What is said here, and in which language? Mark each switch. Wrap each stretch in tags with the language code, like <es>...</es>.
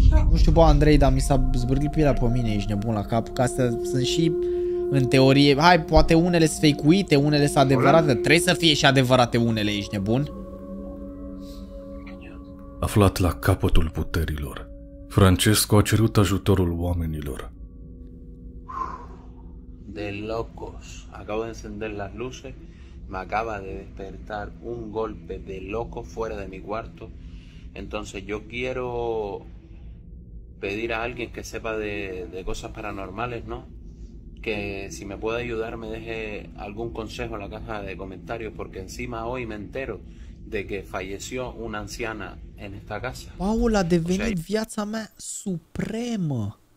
<ro>Nu știu, bă, Andrei, dar mi s-a zbârlit pielea pe mine, ești nebun la cap, ca să sunt și în teorie. Hai, poate unele sunt fake-uite, unele sunt adevărate, trebuie să fie și adevărate unele, ești nebun? Aflat la capătul puterilor, Francesco a cerut ajutorul oamenilor.</ro> <es>De locos, acabo de encender las luces, me acaba de despertar un golpe de loco fuera de mi cuarto, entonces yo quiero pedir a alguien que sepa de cosas paranormales, ¿no? Que si me puede ayudar me deje algún consejo en la caja de comentarios, porque encima hoy me entero de que falleció una anciana en esta casa.</es> <ro>Paul a devenit viața mea supremă.</ro>